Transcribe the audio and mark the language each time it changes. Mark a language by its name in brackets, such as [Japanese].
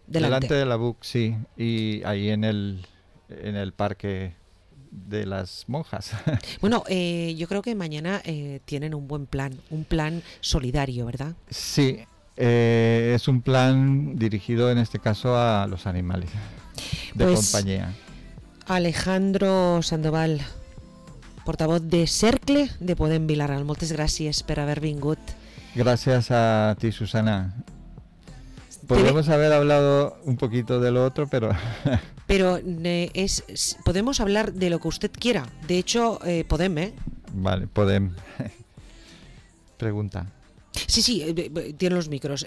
[Spanish] delante de la BUC, sí, y ahí en el parque de las monjas. Bueno, yo creo que mañana tienen un buen plan solidario, ¿verdad? Sí. Es un plan dirigido en este caso a los animales de pues, compañía. [Catalan] Alejandro Sandoval, [Spanish] portavoz de [Catalan] Cercle de Podem Vilaral, moltes gràcies per haver vingut. Gràcies [Spanish] a ti, Susana. Podríamos haber hablado un poquito de lo otro, pero... Pero es, podemos hablar de lo que usted quiera. De hecho, Podem, ¿eh? Vale, Podem. Pregunta. Sí, sí, tiene los micros.